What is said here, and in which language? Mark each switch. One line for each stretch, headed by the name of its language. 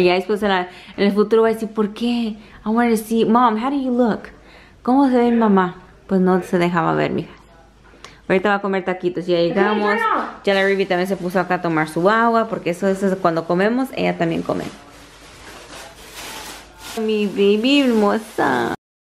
Spanish: Ya después en el futuro va a decir, ¿por qué?
English: I want to see, mom, how do you look?
Spanish: ¿Cómo se ve mi mamá? Pues no se dejaba ver, mija. Ahorita va a comer taquitos. Ya llegamos. Ya la Ruby también se puso acá a tomar su agua. Porque eso es cuando comemos, ella también come. Mi baby hermosa.